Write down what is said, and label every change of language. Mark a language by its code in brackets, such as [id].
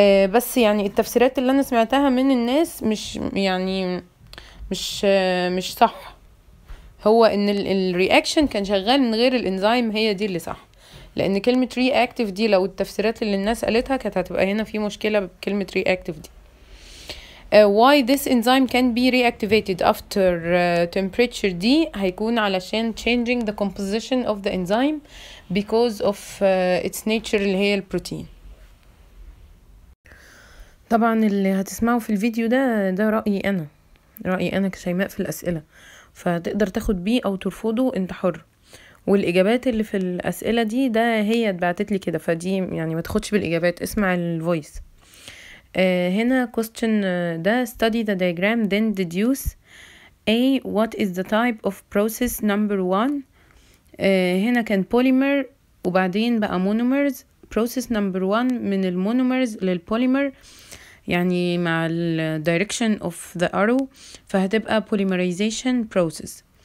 [ar] بس يعني التفسيرات اللي انا سمعتها من الناس مش يعني مش صح، هو ان الرياكشن كان شغال من غير الانزيم هي دي اللي صح، لان كلمة رياكتف دي لو التفسيرات اللي الناس قالتها كانت هتبقى هنا في مشكلة بكلمة رياكتف دي. [en] why this enzyme can be reactivated after temperature D [ar] هيكون علشان [en] changing the composition of the enzyme because of its nature [ar] اللي هي البروتين. طبعا اللي هتسمعه في الفيديو ده رأيي أنا كشيماء في الأسئلة، فتقدر تاخد بيه أو ترفضه أنت حر، والإجابات اللي في الأسئلة دي ده هي اتبعتت لي كده، فدي يعني ما تاخدش بالإجابات، اسمع الفويس. [en] هنا question ده study the diagram then deduce A what is the type of process number one. [ar] هنا كان polymer وبعدين بقى monomers. [en] process number one [ar] من المونومرز للبوليمر يعني مع ال [en] direction of the arrow، [ar] فهتبقى [en] polymerization process.